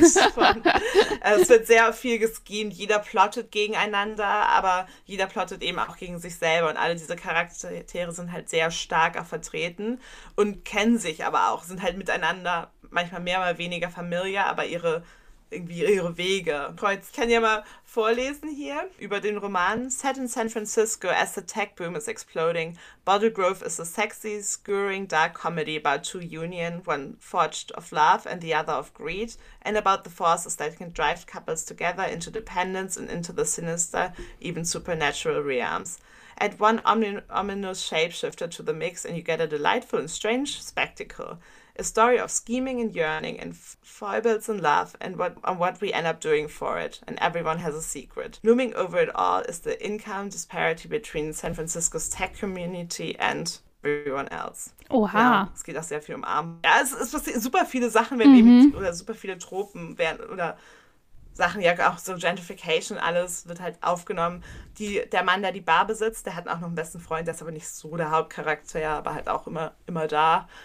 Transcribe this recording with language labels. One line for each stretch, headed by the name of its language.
German: es wird sehr viel geschemt. Jeder plottet gegeneinander, aber jeder plottet eben auch gegen sich selber. Und alle diese Charaktere sind halt sehr stark auch vertreten und kennen sich aber auch, sind halt miteinander manchmal mehr oder weniger familiar, aber ihre Wege. Kreuz, kann ja mal vorlesen hier über den Roman.
English: Set in San Francisco as the tech boom is exploding, Bottle Grove is a sexy, scurrying, dark comedy about two union, one forged of love and the other of greed, and about the forces that can drive couples together into dependence and into the sinister, even supernatural realms. Add one ominous shapeshifter to the mix and you get a delightful and strange spectacle. A story of scheming and yearning and foibles in love and what we end up doing for it. And everyone has a secret. Looming over it all is the income disparity between San Francisco's tech community and everyone else.
German: Oha. Ja, es geht auch sehr viel um Arm. Ja, es passiert super viele Sachen, wenn mhm, oder super viele Tropen werden oder Sachen, ja, auch so Gentrification, alles wird halt aufgenommen. Der Mann, der die Bar besitzt, der hat auch noch einen besten Freund, der ist aber nicht so der Hauptcharakter, aber halt auch immer da.